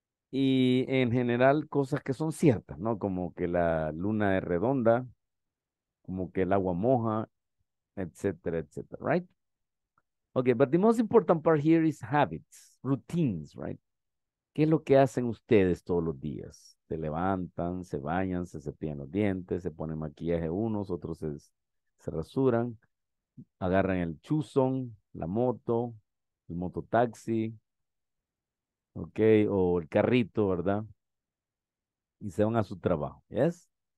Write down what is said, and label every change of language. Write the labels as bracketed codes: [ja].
[es] Y en general, cosas que son ciertas, ¿no? Como que la luna es redonda, como que el agua moja, etcétera, etcétera, right? [en] Okay, but the most important part here is habits, routines, right? [es] ¿Qué es lo que hacen ustedes todos los días? Se levantan, se bañan, se cepillan los dientes, se ponen maquillaje unos, otros se rasuran, agarran el chuzón, la moto, el mototaxi. Okay, o el carrito, ¿verdad? Y se van a su trabajo, ¿yes?